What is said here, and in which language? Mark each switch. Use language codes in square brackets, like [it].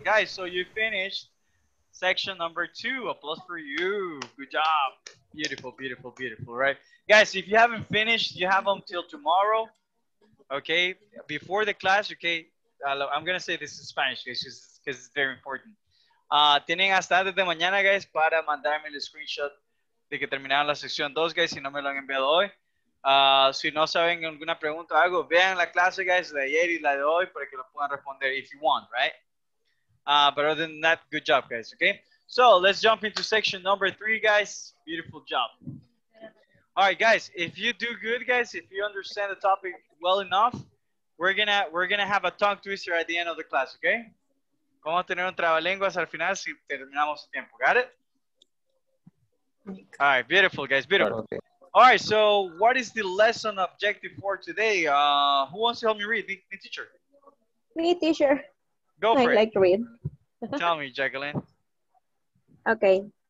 [en] Guys, so you finished section number two. Applause for you. Good job. Beautiful, beautiful, beautiful, right? Guys, if you haven't finished, you have until tomorrow, okay? Before the class, okay? I'm going to say this in Spanish, guys, because it's very important. [es] Tienen hasta antes de mañana, guys, para mandarme el screenshot de que terminaron la sección 2, guys, si no me lo han enviado hoy. Si no saben alguna pregunta o algo, vean la clase, guys, de ayer y la de hoy, para que lo puedan responder [en] if you want, right? But other than that, good job, guys, okay? So, let's jump into section number 3, guys. Beautiful job. All right, guys, if you do good, guys, if you understand the topic well enough, we're gonna have a tongue twister at the end of the class, okay? [es] Vamos a tener un trabalenguas al final si terminamos el tiempo. [en] Got it? All right, beautiful, guys, beautiful. Okay. All right, so what is the lesson objective for today? Who wants to help me read? The teacher. Me, teacher. Go for it. I like to read. Tell me, Jacqueline. Okay.